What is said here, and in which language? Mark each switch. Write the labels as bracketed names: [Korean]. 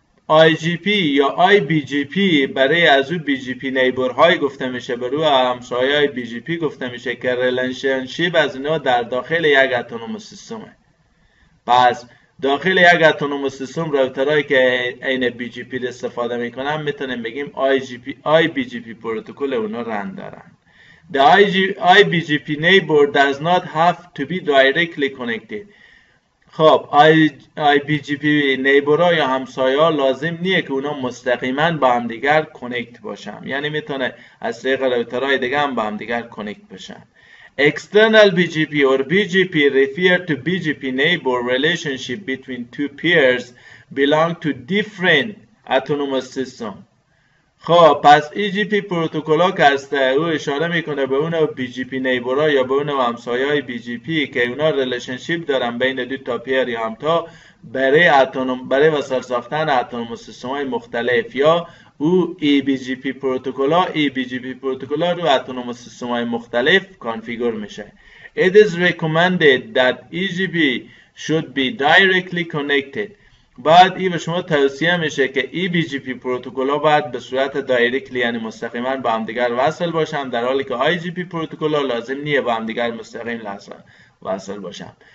[Persian] IGP یا IBGP برای از او BGP نیبر های گفته میشه، برای او همسایه های BGP گفته میشه که relationship از اینا در داخل یک اتونومو سیستمه. پس داخل یک اتونومو سیستم راوترهایی که این BGP استفاده میکنن میتونیم بگیم IGP IBGP پروتکل اونا رن دارن. [English] The IBGP neighbor does not have to be directly connected. [Persian] خب IBGP نیبر ها یا همسایه ها لازم نیه که اونا مستقیما با هم دیگر کنکت باشن، یعنی میتونه از طریق راوترهای دیگه هم با هم دیگر کنکت بشن. [English] External BGP or BGP refer to BGP neighbor relationship between two peers belong to different autonomous system. [Persian] خب پس EGP پروتکل ها که هسته او اشاره میکنه به اون BGP نیبر ها یا به اون همسایه های BGP که اونا ریلیشنشیپ دارن بین دو تا پیر یا همتا برای اتونوم برای وصل ساختن اتونوم سیستم های مختلف، یا او EBGP پروتکل ها EBGP پروتکل ها رو اتونوم سیستم های مختلف کانفیگور میشه. [English] It is recommended that EGP should be directly connected. [Persian] بعد ای به شما توصیه میشه که EBGP پروتکل ها باید به صورت دایرکتلی یعنی مستقیما با همدیگر وصل باشن، در حالی که IGP پروتکل ها لازم نیه با همدیگر مستقیم لازم وصل باشن.